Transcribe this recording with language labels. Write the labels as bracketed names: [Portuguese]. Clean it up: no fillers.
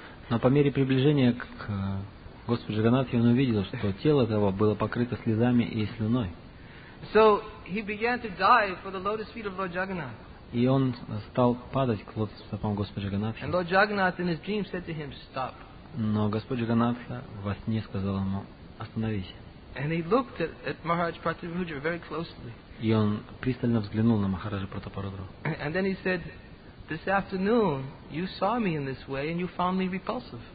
[Russian] Но по мере приближения к Господу Джаганнатхи он увидел, что тело того было покрыто слезами и слюной. [English] So he began to dive for the lotus feet of Lord Jagannath. [Russian] И он стал падать к лотосам Господа Джаганнатхи. [English] And Lord Jagannath in his dream said to him, "Stop." [Russian] Но Господь Джаганнатха во сне сказал ему, остановись. [English] And he looked at Maharaj Pratapadruja very closely. [Russian] И он пристально взглянул на Махараджа Пратапарудру. [English] And then he said, This afternoon, you saw me in this way, and you found me repulsive.